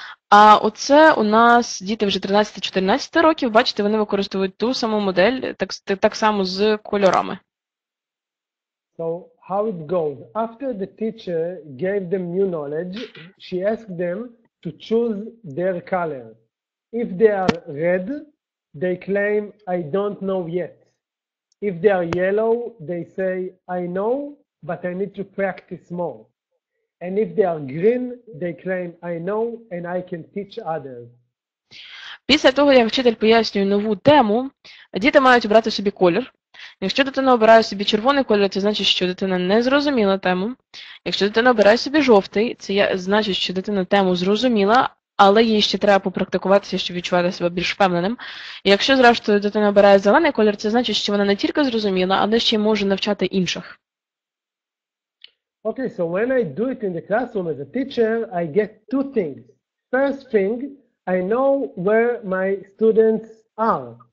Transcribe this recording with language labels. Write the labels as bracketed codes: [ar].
[uk] А оце у нас діти вже 13-14 років. Бачите, вони використовують ту саму модель, так само з кольорами. [en] So how it goes? After the teacher gave them new knowledge, she asked them to choose their color. If they are red, they claim I don't know yet. If they are yellow, they say I know, but I need to practice more. And if they are green, they claim I know and I can teach others. [uk] Після того, як вчитель пояснює нову тему, діти мають обрати собі колір. Якщо дитина обирає собі червоний колір, це значить, що дитина не зрозуміла тему. Якщо дитина обирає собі жовтий, це значить, що дитина тему зрозуміла, але їй ще треба попрактикуватися, щоб відчувати себе більш впевненим. І якщо, зрештою, дитина обирає зелений колір, це значить, що вона не тільки зрозуміла, але ще й може навчати інших. [en] Okay, so when I do it in the classroom as a teacher, I get two things. First thing, I know where my students are.